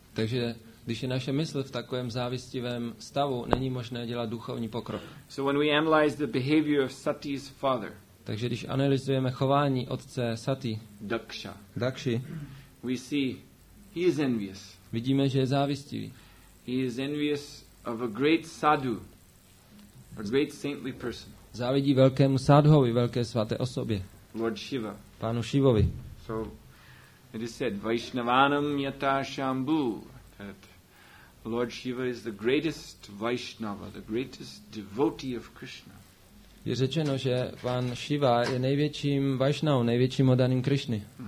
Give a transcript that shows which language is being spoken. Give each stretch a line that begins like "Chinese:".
Czech: Takže když je naše mysl v takovém závistivém stavu, není možné dělat duchovní pokrok.
English: So when we analyze the behavior of Sati's father,
Czech: takže když analyzujeme chování otce Sati,
English: Dakshi, we see he is envious.
Czech: Vidíme, že je závistivý.
English: He is envious of a great sadhu, a great saintly person.
Czech: Závidí velkému sadhovi, velké svaté osobě.
English: Lord Shiva.
Czech: Pánu Shivovi.
English: So it is said,
Sanskrit: Vaishnavanam yata shambhu,
English: that Lord Shiva is the greatest Vaishnava, the greatest devotee of Krishna.
Czech: Je řečeno, že pan Shiva je největším Vaishnavou, největším oddaným Krishny.